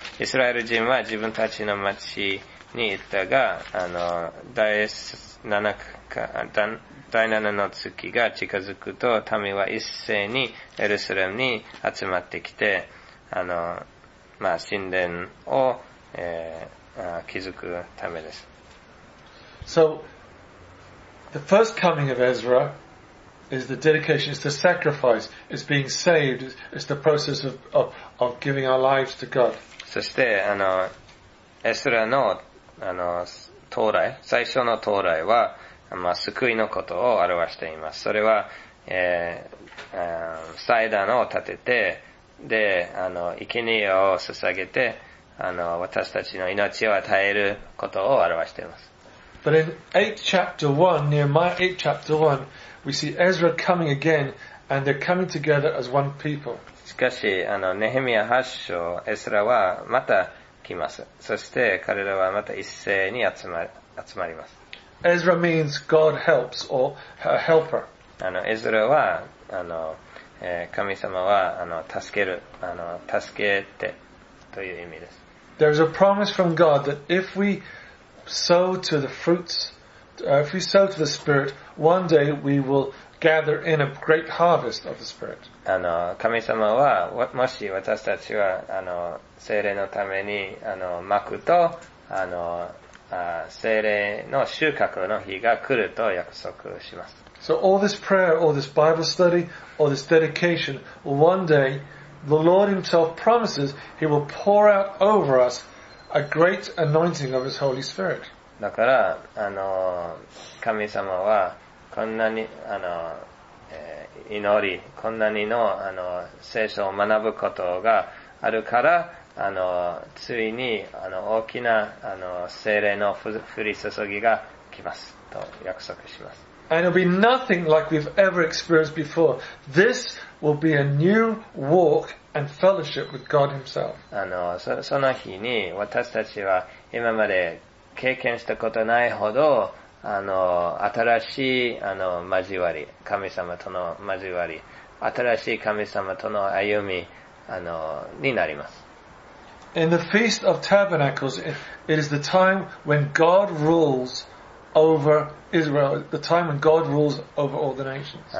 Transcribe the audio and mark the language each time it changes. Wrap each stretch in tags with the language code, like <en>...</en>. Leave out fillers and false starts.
<ja>イスラエル人は自分たちの町に行ったが、あの、第7の月が近づくと、民は一斉にエルサレムに集まってきて、あの、まあ、神殿を、築くためです。</ja> <en>So, the first coming of Ezra,is the dedication, it's the sacrifice, it's being saved, it's the process of giving our lives to God.</en> <ja>そして、あの、エスラの、あの、到来、最初の到来は、まあ、救いのことを表しています。それは、祭壇を建てて、で、あの、生贄を捧げて、あの、私たちの命を与えることを表しています。</ja> <en>But in 8th chapter 1, Nehemiah 8 chapter 1, we see Ezra coming again, and they're coming together as one people.</en> <ja>しかし、あの、ネヘミヤ8章、エスラはまた来ます。そして彼らはまた一斉に集まります。</ja> <en>Ezra means God helps or a helper.</en> <ja>あの、エズラは、あの、神様は、あの、助ける、あの、助けてという意味です。</ja> <en>There is a promise from God that if we sow to the fruits, if we sow to the Spirit, one day we will gather in a great harvest of the Spirit.</en> <ja>あの、神様は、もし私たちは、あの、聖霊のために、あの、まくと、あの、聖霊の収穫の日が来ると約束します。</ja> <en>So all this prayer, all this Bible study, all this dedication, one day, the Lord Himself promises He will pour out over us a great anointing of His Holy Spirit.</en> <ja>だから、あの、神様は、こんなに、あの、祈り、こんなにの、あの、聖書を学ぶことがあるから、あの、ついに、あの、大きな、あの、聖霊の降り注ぎが来ます。と約束します。</ja> <en>And it'll be nothing like we've ever experienced before. This will be a new walk and fellowship with God Himself.</en> <ja>あの、その日に私たちは今まで経験したことないほど、あの、新しい、あの、交わり、神様との交わり、新しい神様との歩み、あの、になります。</ja> <en>In the Feast of Tabernacles, it is the time when God rules over Israel, the time when God rules over all the nations.</en>